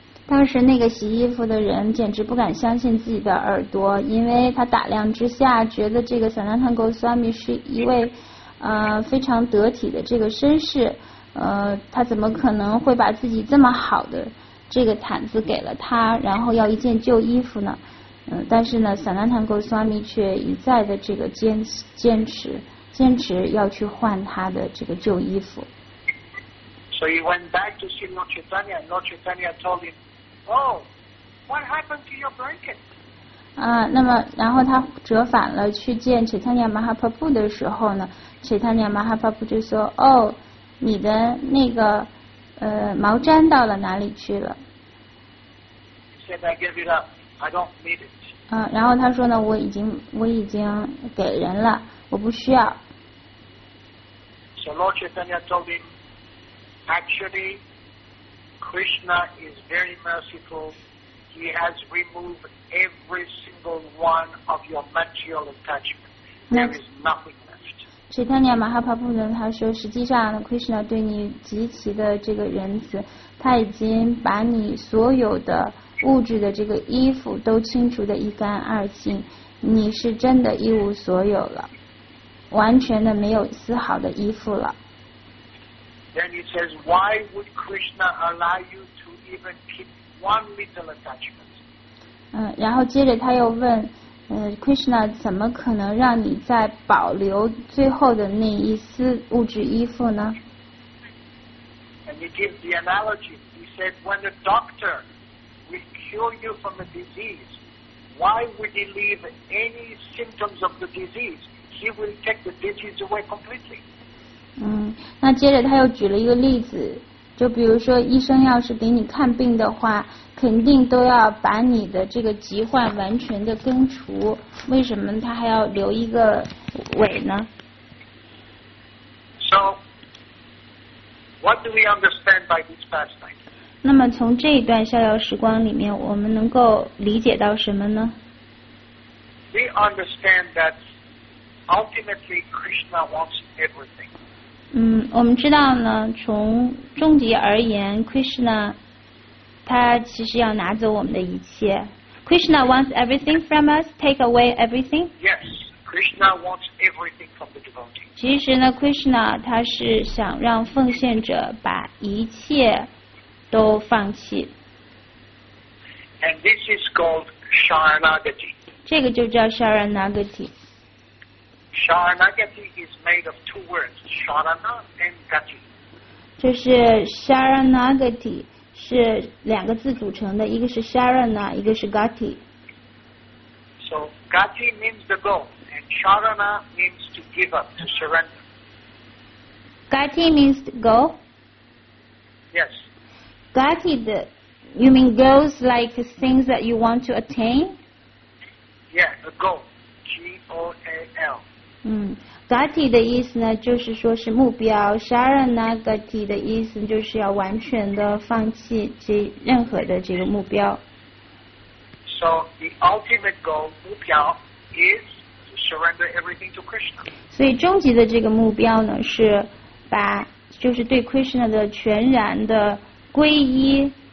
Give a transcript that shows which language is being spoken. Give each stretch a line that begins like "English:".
Chinese: 当时那个洗衣服的人简直不敢相信自己的耳朵，因为他打量之下觉得这个 Sanatana Goswami 是一位非常得体的这个绅士，他怎么可能会把自己这么好的这个毯子给了他，然后要一件旧衣服呢？但是呢 Sanatana Goswami 却一再的这个坚持要去换他的这个旧衣服。
English: So he went back to see Lord Chaitanya, and Lord Chaitanya told him,Oh, what happened to your blanket?
Chinese: 那么然后他折返了去见 Chaitanya Mahaprabhu 的时候呢， Chaitanya Mahaprabhu 就说，哦，你的那个毛毡到了哪里去了？
English: He said, I give it up. I don't need it.
Chinese: 然后他说呢，我已经给人了，我不需要。
English: So Lord Chaitanya told him, actually,Krishna is very merciful. He has removed every single one of your material attachment. There is nothing left.
Chinese: Chaitanya Mahaprabhu 呢，他说，实际上 Krishna 对你极其的这个仁慈，他已经把你所有的物质的这个衣服都清除的一干二净，你是真的一无所有了，完全的没有丝毫的衣服了。
English: Then he says, "Why would Krishna allow you to even keep one little attachment?"
Chinese: 然后接着他又问，Krishna 怎么可能让你再保留最后的那一丝物质衣服呢？
English: And he gives the analogy. He said, "When the doctor will cure you from a disease, why would he leave any symptoms of the disease? He will take the disease away completely."
Chinese: 那接着他又举了一个例子，就比如说医生要是给你看病的话，肯定都要把你的这个疾患完全的根除，为什么他还要留一个尾呢？
English: So, what do we understand by this pastime?
Chinese: 那么从这一段逍遥时光里面，我们能够理解到什么呢？
English: We understand that ultimately Krishna wants everything.
Chinese: 我们知道呢，从终极而言 ，Krishna 他其实要拿走我们的一切。
English: Krishna wants everything from us, take away everything. Yes, Krishna wants everything from the devotee.
Chinese: 其实呢 ，Krishna 他是想让奉献者把一切都放弃。
English: And this is called Sharanagati.
Chinese: 这个就叫 Sharanagati。
English: Sharanagati is made of two words, Sharana and Gati.
Chinese: 就是 Sharanagati。是两个字组成的，一个是 Sharana， 一个是 Gati。
English: So Gati means the goal, and Sharana means to give up, to surrender. Gati means goal. Yes. Gati, you mean goals like things that you want to attain? Yeah, a goal. G-O-A-L.
Chinese: Gati 的意思呢，就是说是目标。Sharanagati 的意思就是要完全的放弃这任何的这个目标。
English: So the ultimate goal 目标 is to surrender everything to Krishna.
Chinese: 所以终极的这个目标呢，是把就是对 Krishna 的全然的皈依。